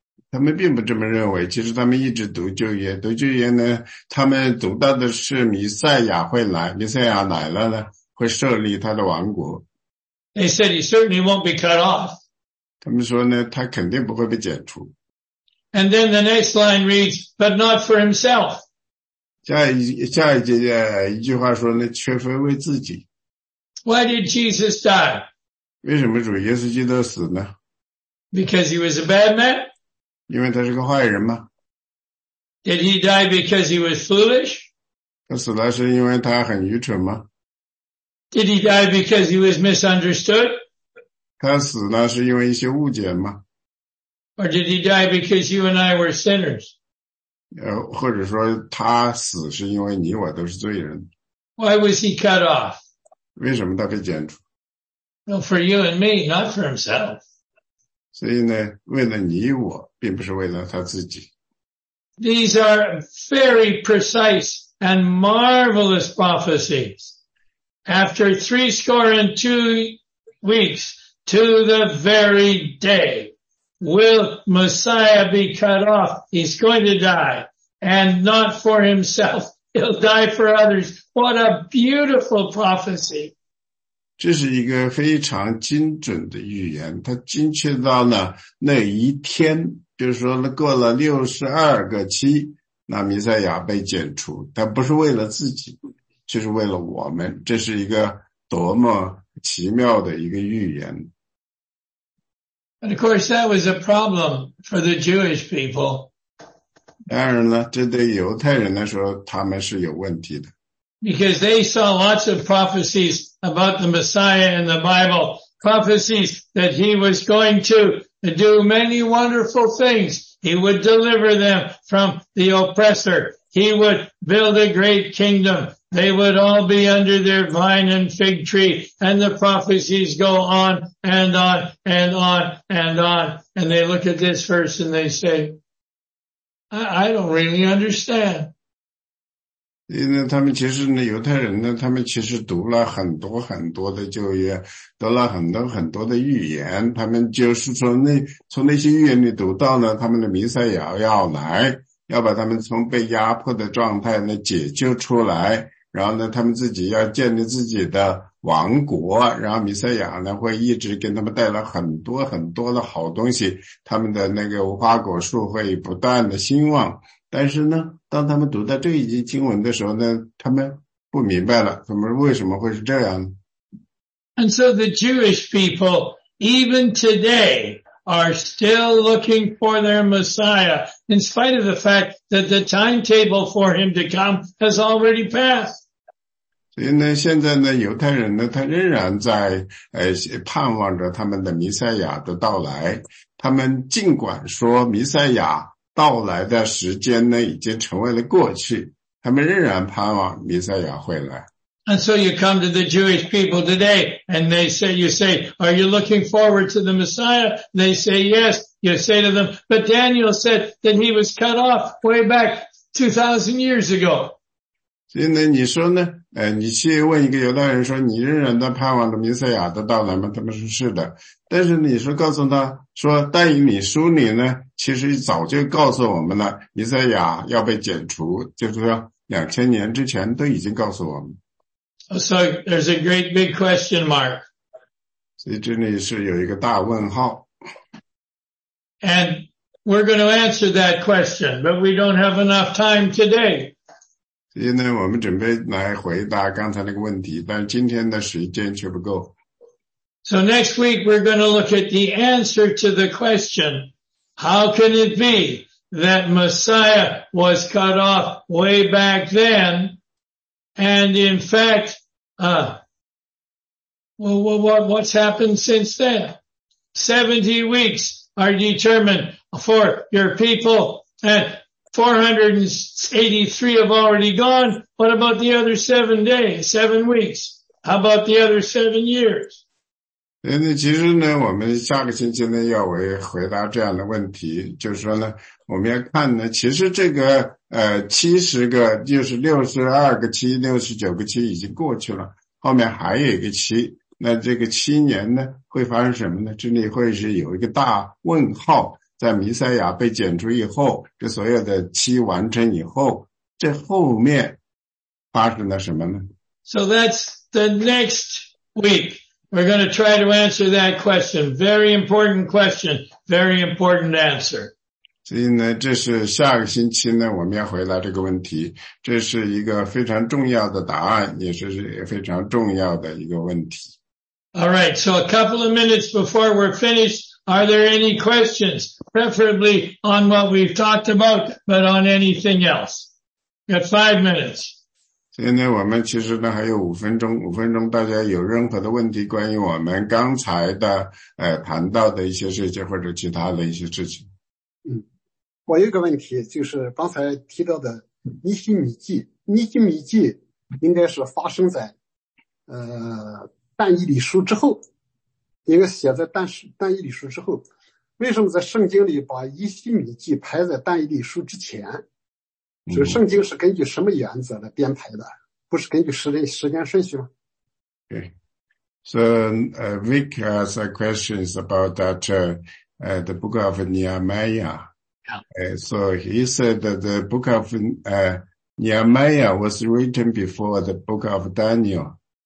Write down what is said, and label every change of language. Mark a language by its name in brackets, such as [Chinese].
[Chinese] 他们并不这么认为，其实他们一直读旧约，读旧约呢他们读到的是弥赛亚会来，弥赛亚来了呢会设立他的王国。 [English] They said he certainly won't be cut off. [Chinese] 他们说呢，他肯定不会被剪除。 [English] And then the next line reads, but not for himself. [Chinese] 下一句话说呢，却非为自己。 [English] Why did Jesus die? [Chinese] 为什么主耶稣基督死呢？ [English] Because he was a bad man? [Chinese] 因为他是个坏人吗？ [English] Did he die because he was foolish? [Chinese] 他死了是因为他很愚蠢吗？ [English] Did he die because he was misunderstood? [Chinese] 他死了是因为一些误解吗？ [English] Or did he die because you and I were sinners? [Chinese] 或者说他死是因为你我都是罪人。 [English] Why was he cut off? [Chinese] 为什么他被剪除？ [English] Well, for you and me, not for himself. [Chinese] 所以呢，为了你我，并不是为了他自己。 [English] These are very precise and marvelous prophecies. After 62 weeks to the very day, will Messiah be cut off? He's going to die, and not for himself. He'll die for others. What a beautiful prophecy. [Chinese] 这是一个非常精准的预言，它精确到了那一天。就是说过了62个期，那弥赛亚被剪除，他不是为了自己，就是为了我们。这是一个多么奇妙的一个预言。 [English] And of course, that was a problem for the Jewish people. [Chinese] 当然了，这对犹太人来说，他们是有问题的。 [English] Because they saw lots of prophecies about the Messiah in the Bible, prophecies that he was going to to do many wonderful things. He would deliver them from the oppressor. He would build a great kingdom. They would all be under their vine and fig tree. And the prophecies go on and on and on and on. And they look at this verse and they say, I don't really understand. [Chinese] 因为他们其实呢，犹太人呢，他们其实读了很多很多的旧约，读了很多很多的预言，他们就是从那些预言里读到呢，他们的弥赛亚要来，要把他们从被压迫的状态呢解救出来，然后呢，他们自己要建立自己的王国，然后弥赛亚呢会一直给他们带来很多很多的好东西，他们的那个无花果树会不断的兴旺。但是呢，当他们读到这一节经文的时候呢，他们不明白了，他们为什么会是这样。 [English] And so the Jewish people, even today, are still looking for their Messiah, in spite of the fact that the timetable for him to come has already passed. [Chinese] 所以呢，现在呢，犹太人呢，他仍然在盼望着他们的弥赛亚的到来，他们尽管说弥赛亚到来的时间呢已经成为了过去，他们仍然盼望弥赛亚会来。 [English] And so you come to the Jewish people today and they say, you say, are you looking forward to the Messiah? They say yes. You say to them, but Daniel said that he was cut off way back 2000 years ago. [Chinese] 所以呢，你说呢，你去问一个犹太人说你仍然的盼望着弥赛亚的到来吗？他们说是的。但是你说告诉他说，但以理书里呢其实早就告诉我们了，弥赛亚要被剪除，就是说2000年之前都已经告诉我们。 [English] So there's a great big question mark. [Chinese] 所以这里是有一个大问号。 [English] And we're going to answer that question, but we don't have enough time today. [Chinese] 所以呢，我们准备来回答刚才那个问题，但今天的时间却不够。 [English] So next week we're going to look at the answer to the question. How can it be that Messiah was cut off way back then? And in fact, what's happened since then? 70 weeks are determined for your people and 483 have already gone. What about the other 7 weeks? How about the other 7 years? [Chinese] 那其实呢，我们下个星期呢要回答这样的问题，就是说呢，我们要看呢，其实这个70个就是62个期69个期已经过去了，后面还有一个期，那这个七年呢会发生什么呢？这里会是有一个大问号，在弥赛亚被剪除以后，这所有的期完成以后，这后面发生了什么呢？ [English] So that's the next week. We're going to try to answer that question. Very important question. Very important answer. [Chinese] 所以呢，这是下个星期呢，我们要回答这个问题。这是一个非常重要的答案，也是非常重要的一个问题。 [English] All right. So a couple of minutes before we're finished, Are there any questions, preferably on what we've talked about, but on anything else? Got 5 minutes. [Chinese] 现在我们其实呢还有五分钟，大家有任何的问题，关于我们刚才的谈到的一些事情或者其他的一些事情。嗯，我有一个问题，就是刚才提到的尼希米记，尼希米记应该是发生在但以理书之后。应该写在但以理书之后，为什么在圣经里把尼希米记排在但以理书之前？所以圣经是根据什么原则来编排的？不是根据时间顺序吗？对。 [English] So, Vic has a question about that, the book of Nehemiah. Yeah. So he said that the book of Nehemiah was written before the book of Daniel.